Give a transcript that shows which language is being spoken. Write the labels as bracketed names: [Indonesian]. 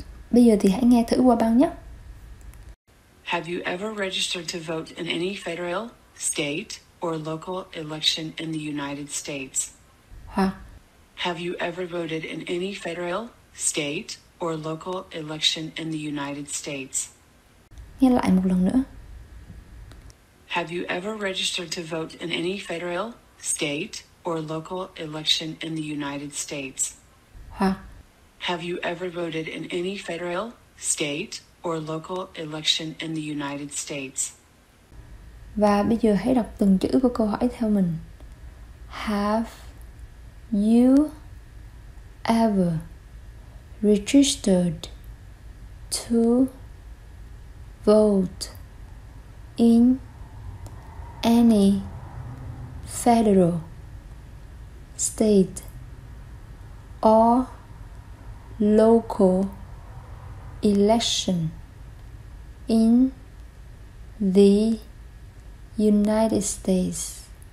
[Vietnamese] Bây giờ thì hãy nghe thử qua băng nhé. [English] Have you ever registered to vote in any federal, state, or local election in the United States? [Vietnamese] Hoặc [English] have you ever voted in any federal, state, or local election in the United States? [Vietnamese] Nghe lại một lần nữa. [English] Have you ever registered to vote in any federal, state, or local election in the United States? [Vietnamese] Hoặc [English] have you ever voted in any federal, state, or local election in the United States? [Vietnamese] Và bây giờ hãy đọc từng chữ của câu hỏi theo mình. [English] Have you ever registered to vote in any federal, state, or local election in the United States?